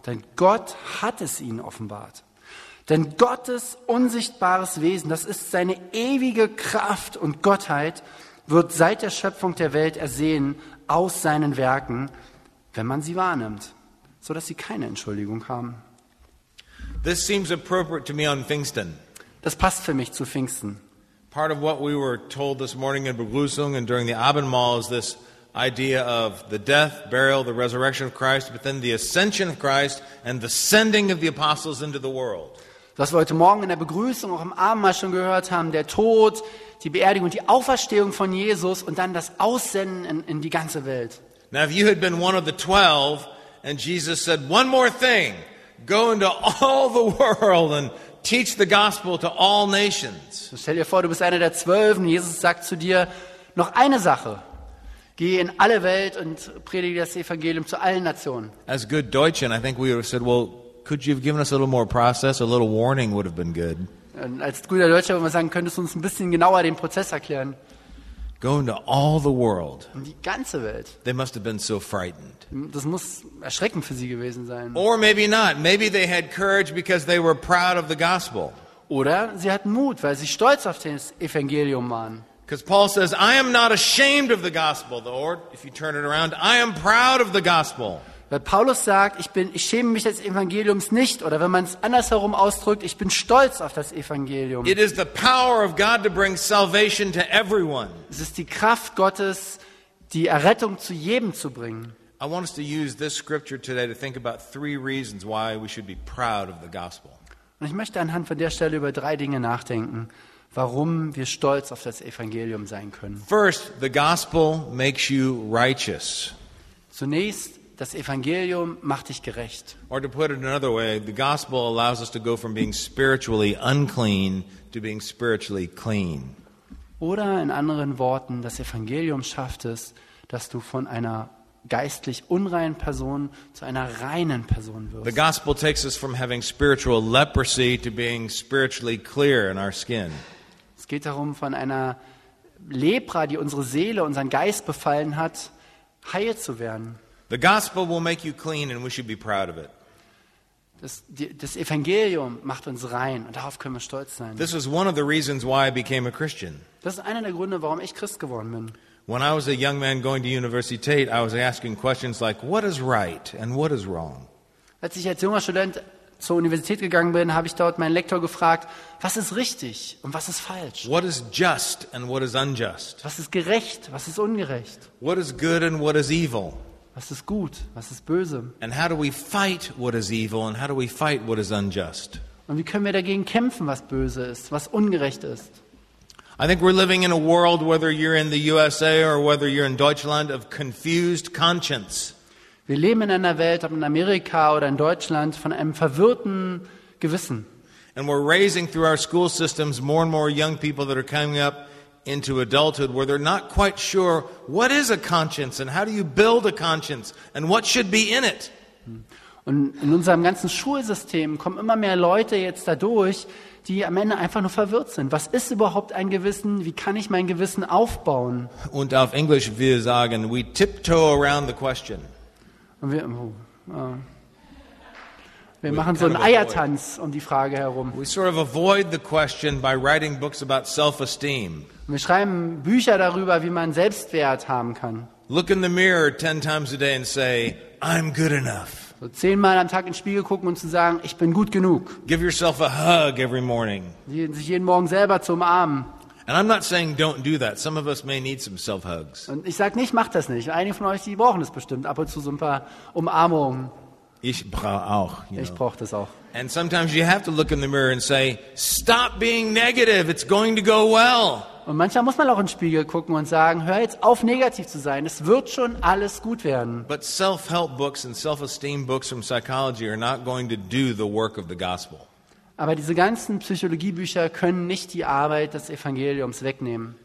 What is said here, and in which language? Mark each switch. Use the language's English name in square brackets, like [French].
[German] Denn Gott hat es ihnen offenbart. Denn Gottes unsichtbares Wesen, das ist seine ewige Kraft und Gottheit, wird seit der Schöpfung der Welt ersehen aus seinen Werken, wenn man sie wahrnimmt, sodass sie keine Entschuldigung haben. [English] This seems appropriate to me on Pfingsten. [German] Das passt für mich zu Pfingsten. [English] Part of what we were told this morning in Begrüßung and during the Abendmahl is this idea of the death, burial, the resurrection of Christ, but then the ascension of Christ and the sending of the apostles into the world. [German] Was wir heute Morgen in der Begrüßung auch im Abendmahl schon gehört haben, der Tod, die Beerdigung und die Auferstehung von Jesus und dann das Aussenden in die ganze Welt. [English] Now, if you had been one of the 12 and Jesus said, one more thing, go into all the world and teach the gospel to all nations. [German] Stell dir vor, du bist einer der 12 und Jesus sagt zu dir, noch eine Sache, geh in alle Welt und predige das Evangelium zu allen Nationen. [English] As good Deutschen, I think we would have said, well, could you have given us a little more process? A little warning would have been good. [German] Als guter Deutscher würde man sagen, könntest du uns ein bisschen genauer den Prozess erklären? [English] Go into all the world. [German] Die ganze Welt. [English] They must have been so frightened. [German] Das muss erschreckend für sie gewesen sein. [English] Or maybe not. Maybe they had courage because they were proud of the gospel. [German] Oder sie hatten Mut, weil sie stolz auf das Evangelium waren. [English] Because Paul says, I am not ashamed of the gospel, or if you turn it around, I am proud of the gospel. [German] Weil Paulus sagt, ich schäme mich des Evangeliums nicht, oder wenn man es andersherum ausdrückt, ich bin stolz auf das Evangelium. [English] It is the power of God to bring salvation to everyone. [German] Es ist die Kraft Gottes, die Errettung zu jedem zu bringen. [English] I want us to use this scripture today to think about three reasons why we should be proud of the gospel. [German] Und ich möchte anhand von der Stelle über drei Dinge nachdenken, warum wir stolz auf das Evangelium sein können. [English] First, the gospel makes you righteous. [German] Zunächst, das Evangelium macht dich gerecht. [English] Or to put it another way, the gospel allows us to go from being spiritually unclean to being spiritually clean. [German] Oder in anderen Worten, das Evangelium schafft es, dass du von einer geistlich unreinen Person zu einer reinen Person wirst. [English] The gospel takes us from having spiritual leprosy to being spiritually clear in our skin. [German] Es geht darum, von einer Lepra, die unsere Seele, unseren Geist befallen hat, heil zu werden. [English] The gospel will make you clean and we should be proud of it. [German] Das Evangelium macht uns rein und darauf können wir stolz sein. [English] This is one of the reasons why I became a Christian. [German] Das ist einer der Gründe, warum ich Christ geworden bin. [English] When I was a young man going to Universität, I was asking questions like what is right and what is wrong. [German] Als ich als junger Student zur Universität gegangen bin, habe ich dort meinen Lektor gefragt, was ist richtig und was ist falsch? [English] What is just and what is unjust? [German] Was ist gerecht, was ist ungerecht? [English] What is good and what is evil? [German] Was ist gut, was ist böse? [English] And how do we fight what is evil and how do we fight what is unjust? [German] Und wie können wir dagegen kämpfen, was böse ist, was ungerecht ist? [English] I think we're living in a world, whether you're in the USA or whether you're in Deutschland, of confused conscience. [German] Wir leben in einer Welt, ob in Amerika oder in Deutschland, von einem verwirrten Gewissen. [English] And we're raising through our school systems more and more young people that are coming up into adulthood where they're not quite sure what is a conscience and how do you build a conscience and what should be in it. [German] Und in unserem ganzen Schulsystem kommen immer mehr Leute jetzt dadurch, die am Ende einfach nur verwirrt sind. Was ist überhaupt ein Gewissen? Wie kann ich mein Gewissen aufbauen? Und auf Englisch wir sagen, [English] we tiptoe around the question. [German] Und wir machen so einen Eiertanz um die Frage herum. [English] We sort of avoid the question by writing books about self-esteem. [German] Wir schreiben Bücher darüber, wie man Selbstwert haben kann. [English] Look in the mirror 10 times a day and say, I'm good enough. [German] So 10-mal am Tag in den Spiegel gucken und zu sagen, ich bin gut genug. [English] Give yourself a hug every morning. [German] Sich jeden Morgen selber zu umarmen. [English] And I'm not saying don't do that. Some of us may need some self-hugs. [German] Und ich sag nicht, mach das nicht. Einige von euch, die brauchen das bestimmt ab und zu so ein paar Umarmungen. Ich brauche auch. Ich brauche das auch. [English] And sometimes you have to look in the mirror and say, stop being negative. It's going to go well. [German] Und manchmal muss man auch in den Spiegel gucken und sagen, hör jetzt auf, negativ zu sein. Es wird schon alles gut werden. [English] But self-help books and self-esteem books from psychology are not going to do the work of the gospel. [German] Aber diese ganzen Psychologiebücher können nicht die Arbeit des Evangeliums wegnehmen.